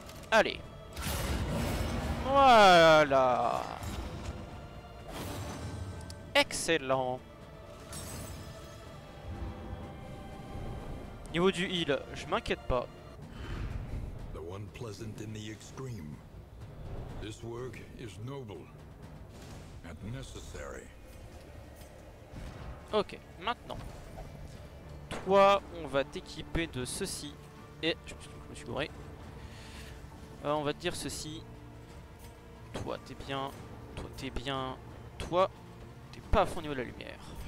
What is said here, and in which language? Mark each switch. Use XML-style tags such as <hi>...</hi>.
<fr>Allez. Voilà. Excellent. Niveau du heal, je m'inquiète pas.</fr> <en>The one pleasant in the extreme. This work is noble and necessary.</en> <fr>Ok, maintenant, toi, on va t'équiper de ceci. Et je me suis gouré. On va te dire ceci. Toi, t'es bien. Toi, t'es bien. Toi, t'es pas à fond au niveau de la lumière.</fr>